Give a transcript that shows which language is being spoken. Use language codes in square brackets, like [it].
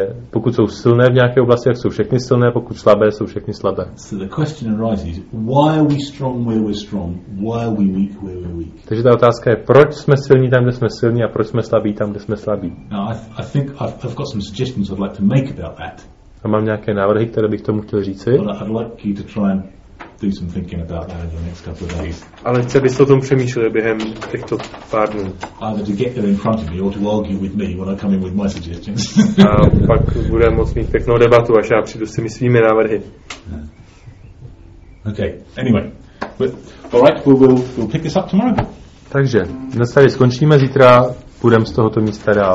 [cs] Pokud jsou silné v nějaké oblasti, jak jsou všechny silné, pokud slabé, jsou všechny slabé. [en] So the question arises, why are we strong where we're strong? Why are we weak where we're weak? [cs] Takže ta otázka je, proč jsme silní tam, kde jsme silní, a proč jsme slabí tam, kde jsme slabí? [en] Now I think I've got some suggestions I'd like to make about that. [cs] A mám nějaké návrhy, které bych tomu chtěl říci. [en] I'd like you to try and do some thinking about that in the next couple of days. [cs] Ale chci, abyste o tom přemýšleli během těchto pár dnů. [en] Either to get there in front of me or to argue with me when I come in with my suggestions. [cs] A pak bude moc mít pěknou debatu, až já přijdu s těmi svými návrhy. [en] Okay, anyway. All right, we'll pick this up tomorrow. [cs] Takže, dnes tady skončíme, zítra půjdeme z tohoto místa dál.